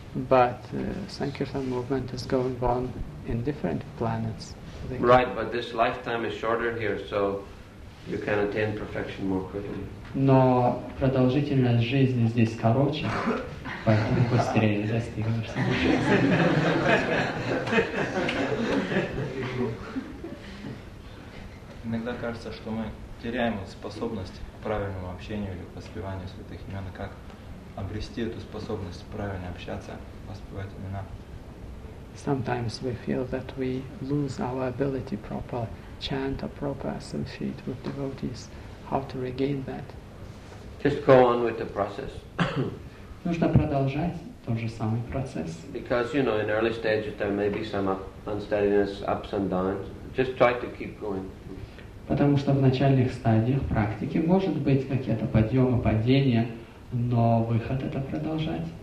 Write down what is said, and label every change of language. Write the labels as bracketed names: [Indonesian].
[English] But Sankirtan movement is going on in different planets. Right, but this lifetime is shorter here, so you can attain perfection more quickly. [Russian] Но продолжительность жизни здесь короче, поэтому быстрее достигнешь. Иногда кажется, что мы теряем способность к правильному общению или к воспеванию святых имен. Как обрести эту способность правильно общаться, воспевать имена? [English] Sometimes we feel that we lose our ability proper chant or proper associate with devotees. How to regain that? Just go on with the process. [Russian] Нужно продолжать тот же самый процесс. [English] Because, you know, in early stages there may be some unsteadiness, ups and downs. Just try to keep going. [Russian] Потому что в начальных стадиях практики может быть какие-то подъемы, падения, но выход это продолжать.